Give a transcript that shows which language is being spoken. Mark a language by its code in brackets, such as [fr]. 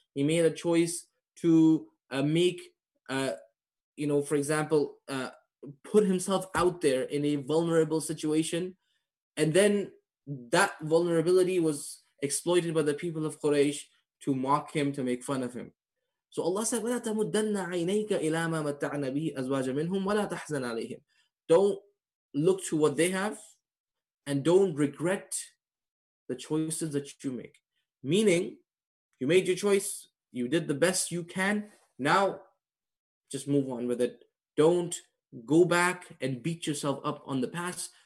[en] He made a choice to make, you know, for example, put himself out there in a vulnerable situation. And then that vulnerability was exploited by the people of Quraysh to mock him, to make fun of him. So Allah said, [ar] وَلَا تَمُدَّنَّ عَيْنَيْكَ إِلَى مَا مَتَّعْنَا بِهِ أَزْوَاجًا مِنْهُمْ وَلَا تَحْزَنْ عَلَيْهِمْ. [en] Don't look to what they have and don't regret the choices that you make. Meaning, you made your choice, you did the best you can. Now, just move on with it. Don't go back and beat yourself up on the past.